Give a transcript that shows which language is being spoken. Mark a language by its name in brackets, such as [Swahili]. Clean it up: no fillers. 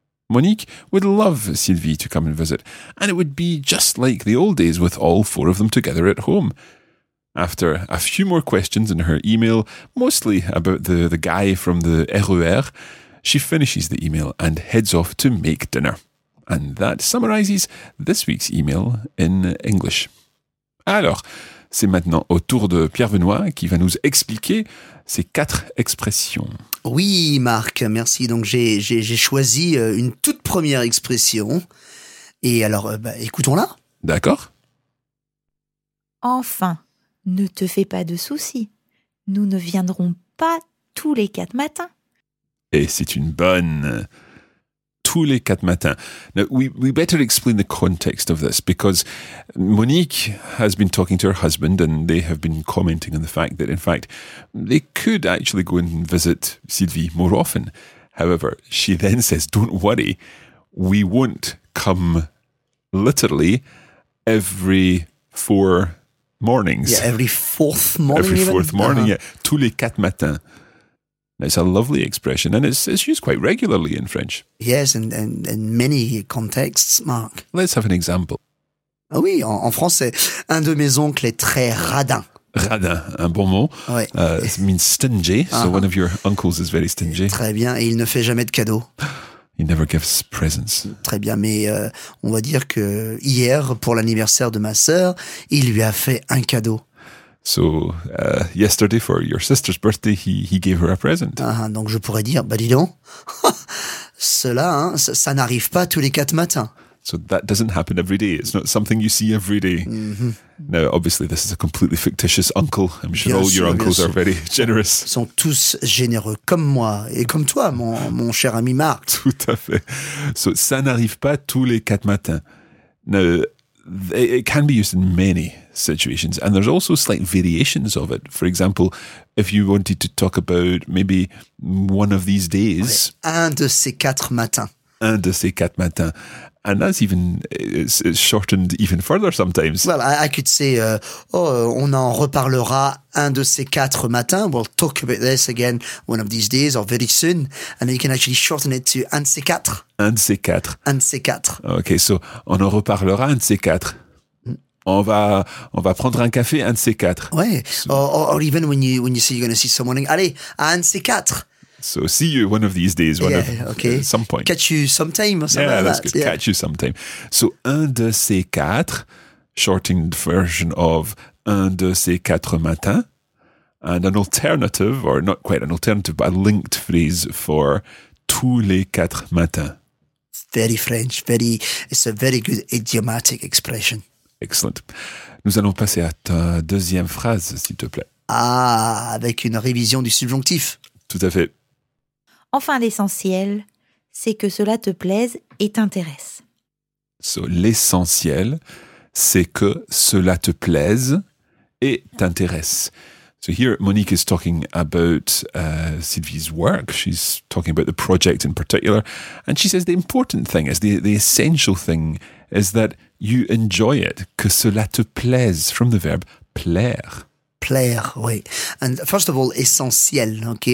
[English] Monique would love Sylvie to come and visit, and it would be just like the old days with all four of them together at home. After a few more questions in her email, mostly about the guy from the RER, she finishes the email and heads off to make dinner. And that summarizes this week's email in English. [French] Alors, c'est maintenant au tour de Pierre Benoît qui va nous expliquer ces 4 expressions. Oui, Marc, merci. Donc j'ai choisi une toute première expression. Et alors, écoutons-la. D'accord. Enfin. Ne te fais pas de soucis, nous ne viendrons pas tous les 4 matins. Et c'est une bonne. Tous les 4 matins. [English] Now, we better explain the context of this, because Monique has been talking to her husband and they have been commenting on the fact that, in fact, they could actually go and visit Sylvie more often. However, she then says, don't worry, we won't come literally every 4 mornings. Yeah, every 4th morning. Every 4th morning, uh-huh. Yeah. Tous les 4 matins. It's a lovely expression, and it's used quite regularly in French. Yes, and in many contexts, Marc. Let's have an example. [French] Ah oui, en français, un de mes oncles est très radin. Radin, un bon mot. Oui. [English] It means stingy, uh-huh. So one of your uncles is very stingy. [French] Très bien, et il ne fait jamais de cadeaux. [English] He never gives presents. [French] Très bien, mais on va dire que hier, pour l'anniversaire de ma sœur, il lui a fait un cadeau. [English] So, yesterday for your sister's birthday, he gave her a present. [French] Uh-huh, donc je pourrais dire, bah dis donc, cela, hein, ça n'arrive pas tous les 4 matins. [English] So that doesn't happen every day. It's not something you see every day. Mm-hmm. Now, obviously, this is a completely fictitious uncle. I'm sure [French] bien [English] all [French] sûr, [English] your uncles are very generous. [French] Ils sont tous généreux, comme moi et comme toi, mon cher ami Marc. Tout à fait. So ça n'arrive pas tous les 4 matins. [English] Now, it can be used in many situations. And there's also slight variations of it. For example, if you wanted to talk about maybe one of these days. [French] Ouais, un de ces 4 matins. Un de ces 4 matins. [English] And that's even, it's shortened even further sometimes. Well, I could say, [French] on en reparlera un de ces 4 matins. [English] We'll talk about this again one of these days or very soon. And then you can actually shorten it to un de ces 4. [French] Un de ces 4. Un de ces 4. Okay, so on en reparlera un de ces 4. On va prendre un café un de ces 4. [English] Ouais, so. or even when you say you're going to see someone, [French] allez, à un de ces 4. [English] So see you one of these days, one some point. Catch you sometime or something That's good. Catch you sometime. So un de ces quatre, shortened version of un de ces quatre matins, and an alternative, or not quite an alternative, but a linked phrase for tous les quatre matins. Very French, very, it's a very good idiomatic expression. Excellent. [French] Nous allons passer à ta deuxième phrase, s'il te plaît. Ah, avec une révision du subjonctif. Tout à fait. Enfin, l'essentiel, c'est que cela te plaise et t'intéresse. So, l'essentiel, c'est que cela te plaise et t'intéresse. [English] So here Monique is talking about Sylvie's work. She's talking about the project in particular. And she says the important thing is, the essential thing is that you enjoy it. [French] Que cela te plaise, [English] from the verb [French] plaire. Plaire, oui. [English] And first of all, essentiel, okay?